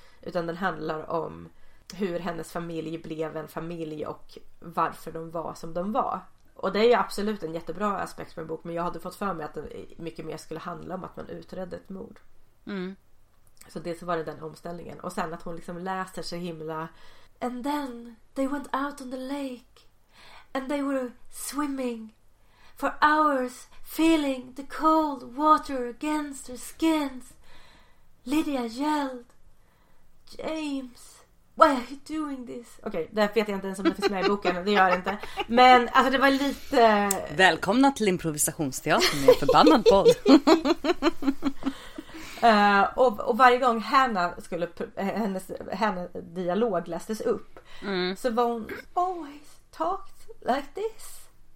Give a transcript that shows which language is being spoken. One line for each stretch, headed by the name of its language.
Swedish: Utan den handlar om hur hennes familj blev en familj och varför de var som de var. Och det är ju absolut en jättebra aspekt på en bok, men jag hade fått för mig att det mycket mer skulle handla om att man utredde ett mord. Mm. Så dels var det den omställningen. Och sen att hon liksom läser så himla...
English: And then they went out on the lake and they were swimming for hours, feeling the cold water against their skins. Lydia yelled, James, why are you doing this?
Swedish: Okej, okay, det vet jag inte ens om det finns med i boken, det gör jag inte. Men alltså, det var lite... Välkomna till improvisationsteatern med förbannad podd. Och varje gång Hannah skulle hennes dialog lästes upp, så var hon
English: always talked like this.